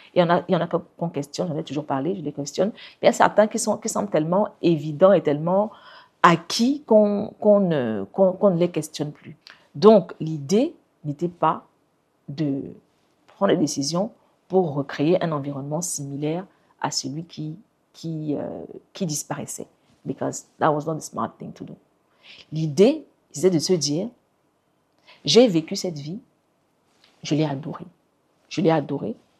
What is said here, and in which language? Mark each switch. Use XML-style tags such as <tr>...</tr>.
<fr>Il y en a qu'on questionne, j'en ai toujours parlé, je les questionne. Il y a certains qui semblent tellement évidents et tellement acquis qu'on ne les questionne plus. Donc, l'idée n'était pas de prendre des décisions pour recréer un environnement similaire à celui qui disparaissait.</fr> <en>Because that was not the smart thing to do.</en> <fr>L'idée, c'était de se dire, j'ai vécu cette vie, je l'ai adorée. Je l'ai adorée.</fr>